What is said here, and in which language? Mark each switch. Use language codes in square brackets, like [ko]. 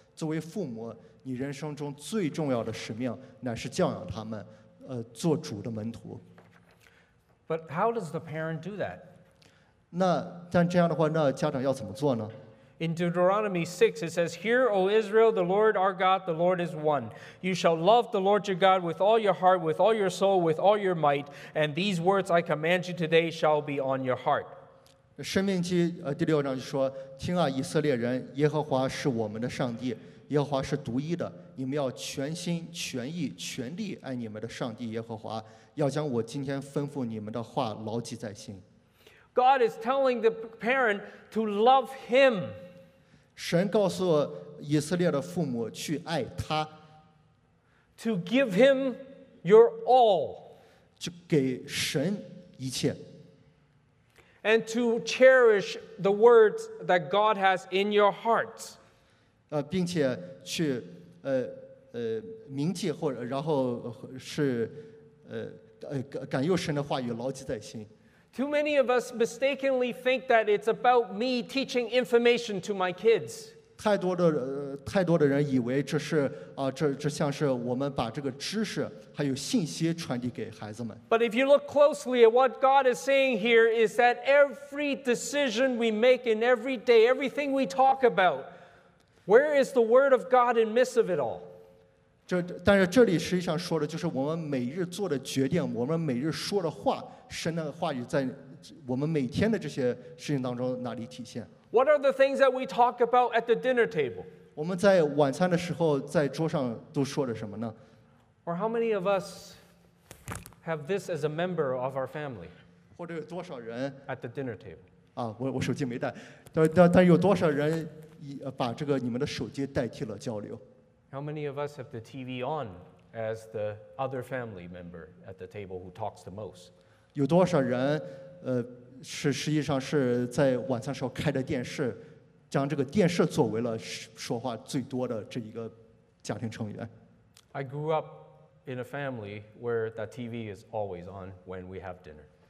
[zh] 作为父母，你人生中最重要的使命乃是教养他们。做主的门徒。 [en] But how does the parent do that? [zh] 那但这样的话，那家长要怎么做呢？ [en] In Deuteronomy 6, it says, "Hear, O Israel, the Lord our God, the Lord is one. You shall love the Lord your God with all your heart, with all your soul, with all your might. And these words I command you today shall be on your heart." [zh] 申命记第六章就说：“听啊，以色列人，耶和华是我们的上帝。” 耶和华是独一的，你们要全心全意全力爱你们的上帝耶和华，要将我今天吩咐你们的话牢记在心。 [en] God is telling the parent to love him. [zh] 神告诉以色列的父母去爱他。 [en] To give him your all. [zh] 就给神一切。 [en] And to cherish the words that God has in your hearts. [zh] 并且去铭记或者然后是感受神的话语牢记在心。 [en] Too many of us mistakenly think that it's about me teaching information to my kids. [zh] 太多的人以为这是这像是我们把这个知识还有信息传递给孩子们。 [en] But if you look closely at what God is saying here, is that every decision we make in every day, everything we talk about. Where is the word of God in midst of it all? [zh] 但是这里实际上说的就是我们每日做的决定，我们每日说的话，神的话语在我们每天的这些事情当中哪里体现？ [en] What are the things that we talk about at the dinner table? [zh] 我们在晚餐的时候在桌上都说了什么呢？ [en] Or how many of us have this as a member of our family? [zh] 或者有多少人 [en] at the dinner table? [zh] 啊，我手机没带，但有多少人把这个你们的手机代替了交流？ [en] How many of us have the TV on as the other family member at the table who talks the most? [zh] 有多少人是实际上是在晚餐时候开的电视，将这个电视作为了说话最多的这一个家庭成员。 [en] I grew up in a family where the TV is always on when we have dinner.